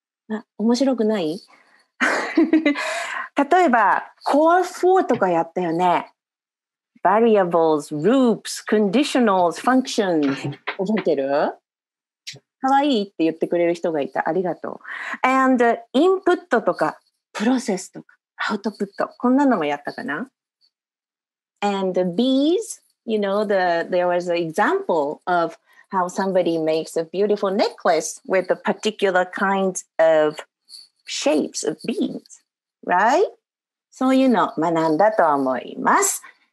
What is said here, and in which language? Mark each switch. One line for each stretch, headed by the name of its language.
Japanese: あ、面白くない？例えば、Core 4とかやったよね。
English: Variables, loops, conditionals, functions。
Japanese: 覚えてる？かわいいって言ってくれる人がいた。ありがとう。And input とか、process とか、output。こんなのもやったかな？
English: And bees, you know, there was an example ofHow somebody makes a beautiful necklace with a particular kind of shapes of beads, right?
Japanese: そういうの学んだと思います。